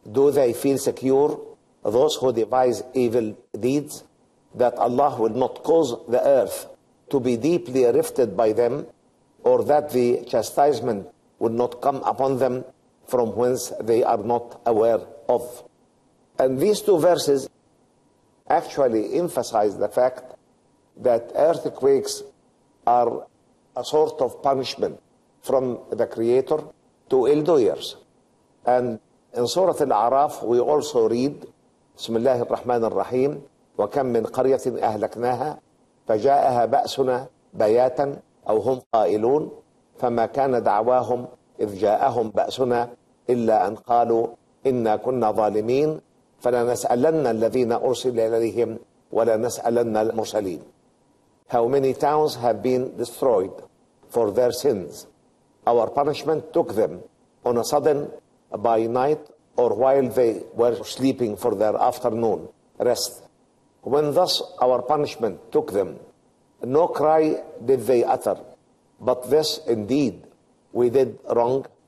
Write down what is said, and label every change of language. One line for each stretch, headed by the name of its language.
English: Do they feel secure, those who devise evil deeds, that Allah will not cause the earth to be deeply rifted by them, or that the chastisement would not come upon them from whence they are not aware of? And these two verses actually emphasize the fact that earthquakes are a sort of punishment from the Creator to ill-doers. And in Surah Al-A'raf, we also read,
Arabic: بسم الله الرحمن الرحيم وكم من قرية أهلكناها فجاءها بأسنا بياتا أو هم قائلون فما كان دعواهم إذ جاءهم بأسنا إلا أن قالوا إنا كنا ظالمين فلنسألن الذين أرسل إليهم ولنسألن المرسلين.
English: How many towns have been destroyed for their sins? Our punishment took them on a sudden by night or while they were sleeping for their afternoon rest. When thus our punishment took them, no cry did they utter, but this indeed we did wrong.